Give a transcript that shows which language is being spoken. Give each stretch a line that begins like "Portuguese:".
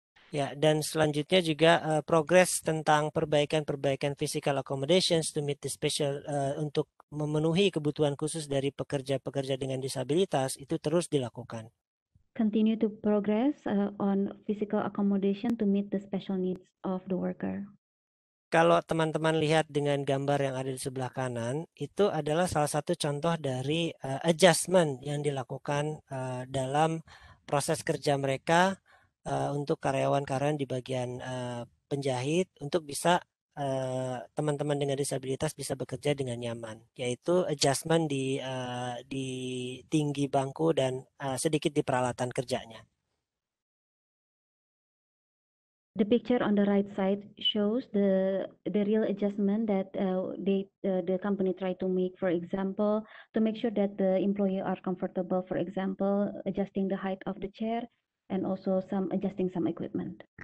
Indonesian: Ya, dan selanjutnya juga progres tentang perbaikan-perbaikan
English: physical accommodations to meet the special
Indonesian: untuk memenuhi kebutuhan khusus dari pekerja-pekerja dengan disabilitas itu terus dilakukan.
English: Continue to progress on physical accommodation to meet the special needs of the worker.
Indonesian: Kalau teman-teman lihat dengan gambar yang ada di sebelah kanan, itu adalah salah satu contoh dari adjustment yang dilakukan dalam proses kerja mereka untuk karyawan-karyawan di bagian penjahit untuk bisa teman-teman dengan disabilitas bisa bekerja dengan nyaman, yaitu adjustment di tinggi bangku dan sedikit di peralatan kerjanya.
English: The picture on the right side shows the real adjustment that the company try to make, for example, to make sure that the employee are comfortable, for example, adjusting the height of the chair and also some adjusting some equipment.